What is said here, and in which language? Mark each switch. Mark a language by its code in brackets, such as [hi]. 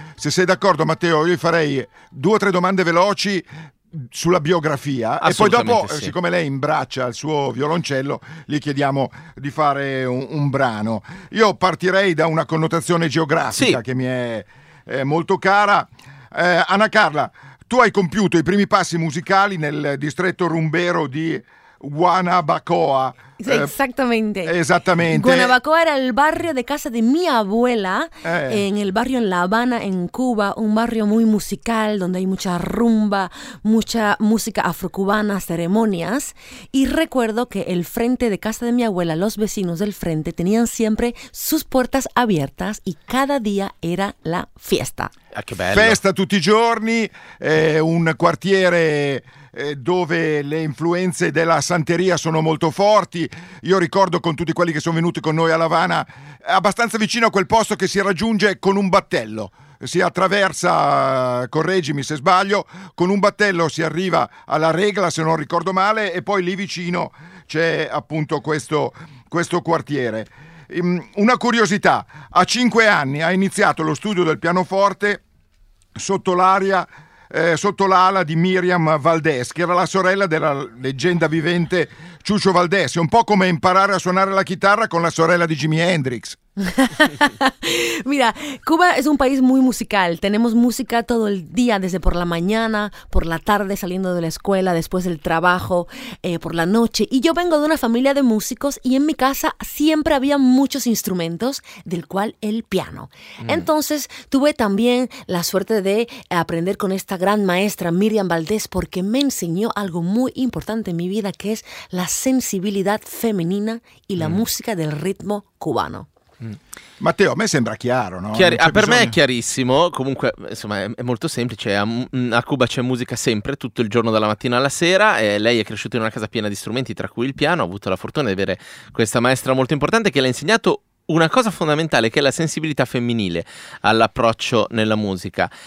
[it] Se sei d'accordo, Matteo, io farei due o tre domande veloci sulla biografia e poi dopo, siccome lei imbraccia il suo violoncello, gli chiediamo di fare un brano. Io partirei da una connotazione geografica che mi è molto cara. Anna Carla, tu hai compiuto i primi passi musicali nel distretto rumbero di Guanabacoa. [es] Sí, exactamente. Exactamente. Guanabacoa era el barrio de casa de mi abuela, en el barrio en La Habana, en Cuba, un barrio muy musical, donde hay mucha rumba, mucha música afrocubana, ceremonias. Y recuerdo que el frente de casa de mi abuela, los vecinos del frente, tenían siempre sus puertas abiertas y cada día era la fiesta. Ah, qué bello. [it] Festa tutti i giorni, un quartiere dove le influenze della santeria sono molto forti. Io ricordo, con tutti quelli che sono venuti con noi a La Habana, abbastanza vicino a quel posto che si raggiunge con un battello, si attraversa, correggimi se sbaglio, con un battello si arriva alla Regla, se non ricordo male, e poi lì vicino c'è appunto questo quartiere. Una curiosità: a 5 anni ha iniziato lo studio del pianoforte sotto l'aria, sotto l'ala di Miriam Valdés, che era la sorella della leggenda vivente Ciuccio Valdés. È un po' come imparare a suonare la chitarra con la sorella di Jimi Hendrix. [es] Mira, Cuba es un país muy musical. Tenemos música todo el día, desde por la mañana, por la tarde saliendo de la escuela, después del trabajo, por la noche. Y yo vengo de una familia de músicos y en mi casa siempre había muchos instrumentos, del cual el piano. Entonces tuve también la suerte de aprender con esta gran maestra Miriam Valdés, porque me enseñó algo muy importante en mi vida, que es la sensibilidad femenina y la música del ritmo cubano. [it] Matteo, a me sembra chiaro, no? Per me è chiarissimo. Comunque, insomma, è molto semplice. A Cuba c'è musica sempre, tutto il giorno, dalla mattina alla sera. E lei è cresciuta in una casa piena di strumenti, tra cui il piano. Ha avuto la fortuna di avere questa maestra molto importante che le ha insegnato una cosa fondamentale, che è la sensibilità femminile all'approccio nella musica.